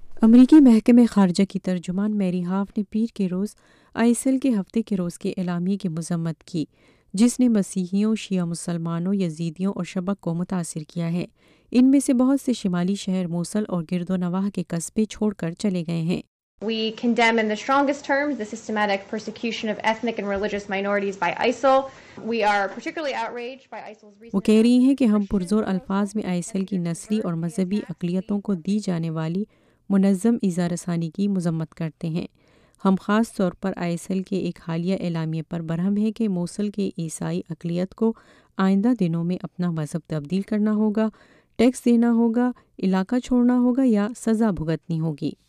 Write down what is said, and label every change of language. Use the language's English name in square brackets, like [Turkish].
[Urdu] امریکی محکمہ خارجہ کی ترجمان میری ہاف نے پیر کے روز آئی ایس ایل کے ہفتے کے روز کے اعلامیے کی مذمت کی جس نے مسیحیوں، شیعہ مسلمانوں، یزیدیوں اور شبک کو متاثر کیا ہے. ان میں سے بہت سے شمالی شہر موصل اور گرد و نواح کے قصبے چھوڑ کر چلے گئے ہیں. [English] We condemn in the strongest terms the systematic persecution of ethnic and religious minorities by ISIL. We are particularly outraged by ISIL's recent. [Urdu] وہ کہہ رہی ہیں کہ ہم پرزور الفاظ میں آئی ایس ایل کی نسلی اور مذہبی اقلیتوں کو دی جانے والی منظم اظہار رسانی کی مذمت کرتے ہیں. ہم خاص طور پر آئی ایس ایل کے ایک حالیہ اعلامیے پر برہم ہیں کہ موصل کے عیسائی اقلیت کو آئندہ دنوں میں اپنا مذہب تبدیل کرنا ہوگا، ٹیکس دینا ہوگا، علاقہ چھوڑنا ہوگا یا سزا بھگتنی ہوگی.